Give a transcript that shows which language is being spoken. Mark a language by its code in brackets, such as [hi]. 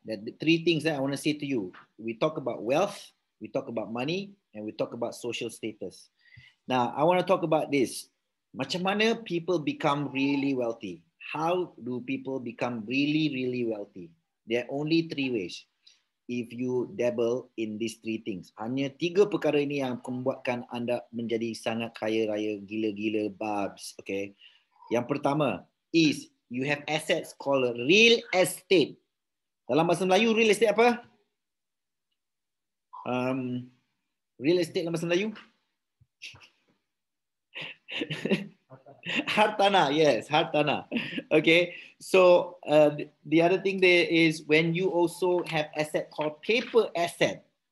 [en] That the three things that I want to say to you. We talk about wealth. We talk about money and we talk about social status. Now, I want to talk about this. [ms] Macam mana [en] people become really wealthy? How do people become really, really wealthy? There are only three ways if you dabble in these three things. [ms] Hanya tiga perkara ini yang membuatkan anda menjadi sangat kaya raya, gila-gila, babs. [en] Okay. [ms] Yang pertama [en] is you have assets called real estate. [ms] Dalam bahasa Melayu, real estate apa? Real estate dalam bahasa Melayu? Hartanah, [en] yes, hartanah. Okay, so the other thing there is when you also have asset called paper asset.